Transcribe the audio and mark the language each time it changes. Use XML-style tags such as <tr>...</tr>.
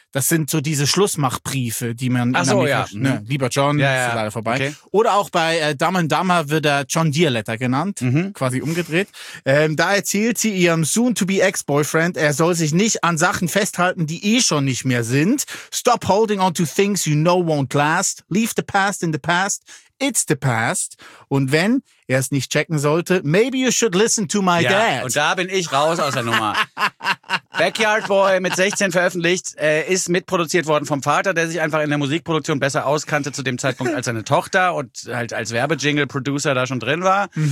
<de>Das sind so diese Schlussmachbriefe, die man... Ach so, ja. Ne, lieber John, ja, ist leider vorbei. Okay. Oder auch bei Dumb and Dumber wird er John Deere Letter genannt, quasi umgedreht. Da erzählt sie ihrem Soon-to-be-Ex-Boyfriend, er soll sich nicht an Sachen festhalten, die eh schon nicht mehr sind.</de> <en>Stop holding on to things you know won't last. Leave the past in the past. It's the past.</en> <de>Und wenn er es nicht checken sollte,</de> <en>maybe you should listen to my dad.</en> <de>Und da bin ich raus aus der Nummer. Backyard Boy mit 16 veröffentlicht, ist mitproduziert worden vom Vater, der sich einfach in der Musikproduktion besser auskannte zu dem Zeitpunkt als seine Tochter und halt als Werbejingle-Producer da schon drin war.</de>